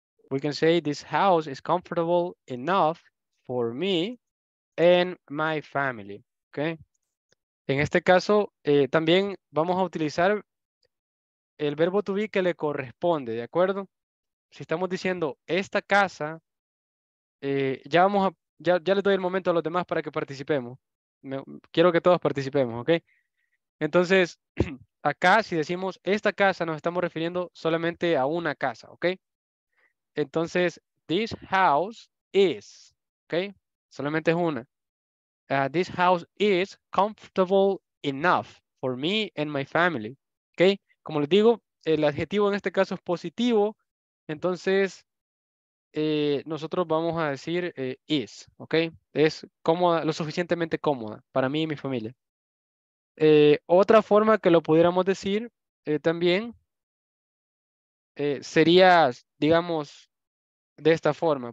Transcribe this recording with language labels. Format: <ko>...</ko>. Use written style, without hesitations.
<en>We can say this house is comfortable enough for me and my family. Okay.</en> <es>En este caso, también vamos a utilizar el verbo to be que le corresponde, ¿de acuerdo? Si estamos diciendo esta casa, ya le doy el momento a los demás para que participemos. Quiero que todos participemos, ¿ok? Entonces, acá si decimos esta casa, nos estamos refiriendo solamente a una casa, ¿ok? Entonces,</es> <en>this house is,</en> <es>¿ok? Solamente es una.</es> <en>This house is comfortable enough for me and my family, ¿ok?</en> <es>Como les digo, el adjetivo en este caso es positivo, entonces nosotros vamos a decir is, ¿ok? Es cómoda, lo suficientemente cómoda para mí y mi familia. Otra forma que lo pudiéramos decir también sería, digamos, de esta forma.</es>